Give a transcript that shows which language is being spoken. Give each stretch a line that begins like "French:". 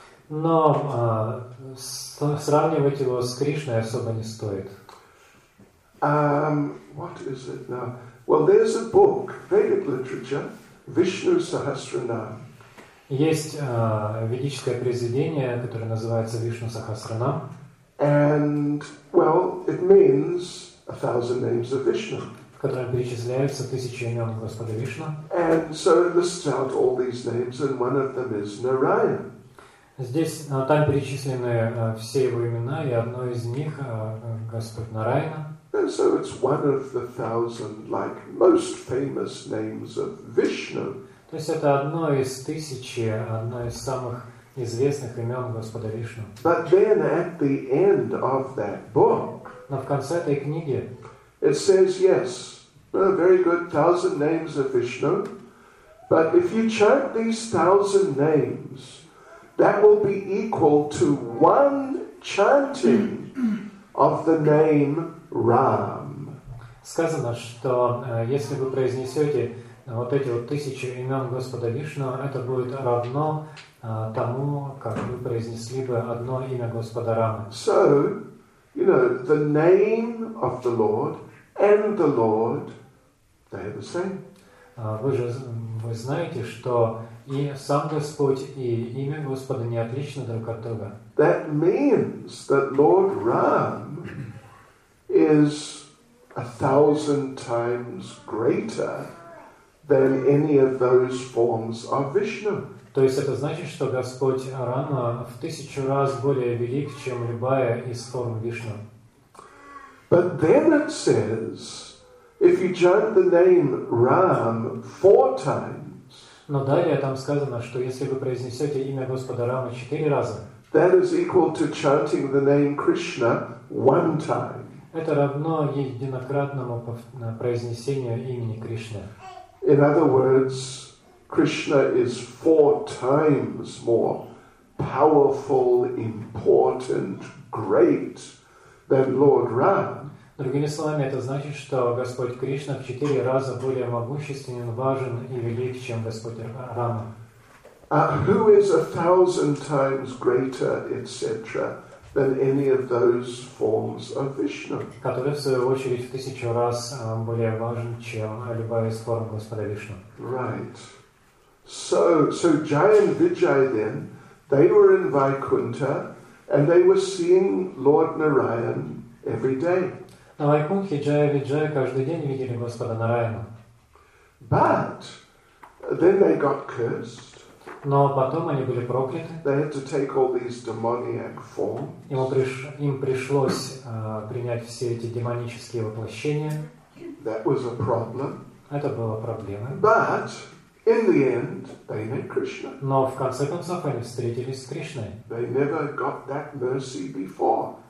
Russian: Но сравнивать его с Кришной особо не стоит.
English: What is it now? Well, there's a book, Vedic literature, Vishnu Sahasranam.
Russian: Есть ведическое произведение, которое называется Вишну Сахасранам.
English: And well, it means a thousand names of Vishnu.
Russian: Которые перечисляются тысячи имен Господа Вишну.
English: And so it lists out all these names, and one of them is Narayan.
Russian: Здесь там перечислены все его имена, и одно из них Господь Нараяна.
English: And so it's one of the thousand, like most famous names of Vishnu.
Russian: То есть это одно из тысячи, одно из самых известных имен Господа Вишну.
English: But then at the end of that book.
Russian: Но в конце этой книги.
English: It says, yes, well, very good, thousand names of Vishnu. But if you chant these thousand names, that will be equal to one chanting of the name Ram.
Russian: Сказано, что если вы произнесете вот эти вот тысячи имен Господа Вишну, это будет равно тому, как вы произнесли бы одно имя Господа Рама.
English: So, you know, the name of the Lord... And the Lord, they are the same.
Russian: Вы знаете, что и сам Господь, и имя Господа не отличны друг от друга.
English: That means that Lord Ram is a thousand times greater than any of those forms of Vishnu.
Russian: То есть это значит, что Господь Рама в тысячу раз более велик, чем любая из форм Вишну.
English: But then it says, if you chant the name Ram four times.
Russian: Но далее там сказано, что если вы произнесете имя Господа Рама четыре раза.
English: That is equal to chanting the name Krishna one time.
Russian: Это равно единократному произнесению имени Кришны.
English: In other words, Krishna is four times more powerful, important, great than Lord Ram.
Russian: Другими словами, это значит, что Господь Кришна в четыре раза более могущественен, важен и велик, чем Господь Рама.
English: Who is a thousand times greater, etc., than any of those forms of Vishnu?
Russian: Который, в свою очередь, в тысячу раз более важен, чем любая из форм Господа Вишну.
English: Right. So Jaya and Vijaya then, they were in Vaikuntha, and they were seeing Lord Narayan every day.
Russian: На Вайкунхе Джая Виджая каждый день видели Господа Нараяна.
English: But then they got cursed.
Russian: Но потом они были прокляты.
English: They had to take all these demoniac forms.
Russian: Им пришлось принять все эти демонические воплощения.
English: That was a problem.
Russian: Это была проблема.
English: But in the end, they met Krishna.
Russian: Но в конце концов они встретились с Кришной.
English: They never got that mercy before.